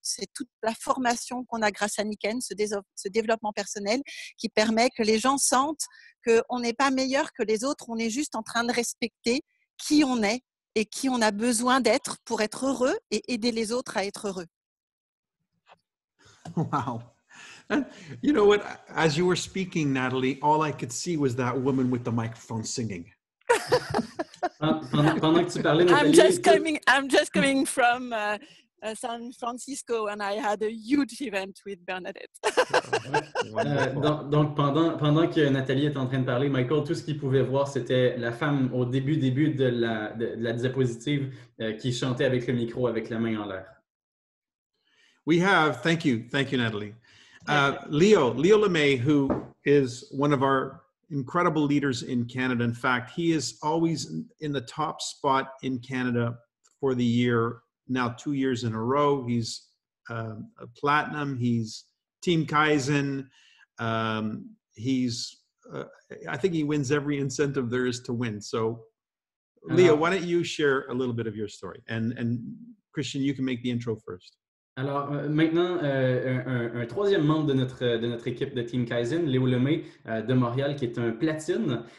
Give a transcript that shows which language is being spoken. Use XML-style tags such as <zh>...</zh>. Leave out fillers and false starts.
<fr>C'est toute la formation qu'on a grâce à Niken, ce développement personnel, qui permet que les gens sentent qu'on n'est pas meilleur que les autres. On est juste en train de respecter qui on est et qui on a besoin d'être pour être heureux et aider les autres à être heureux.</fr> <en>Wow. You know what? As you were speaking, Natalie, all I could see was that woman with the microphone singing.</en> <fr>Pendant que tu parlais, Natalie,</fr> <en>I'm just coming from San Francisco and I had a huge event with Bernadette.</en> <fr>donc pendant que Natalie est en train de parler, Michael, tout ce qu'il pouvait voir, c'était la femme au début de la diapositive qui chantait avec le micro, avec la main en l'air.</fr> <en>We have, thank you Natalie. Leo LeMay, who is one of our incredible leaders in Canada. In fact, he is always in the top spot in Canada for the year. Now 2 years in a row, he's a platinum, he's Team Kaizen, I think he wins every incentive there is to win. So, Leo, why don't you share a little bit of your story? And Christian, you can make the intro first.</en> <fr>Alors maintenant, un troisième membre de notre équipe de Team Kaizen, Léo Lemay de Montréal, qui est un platine.</fr>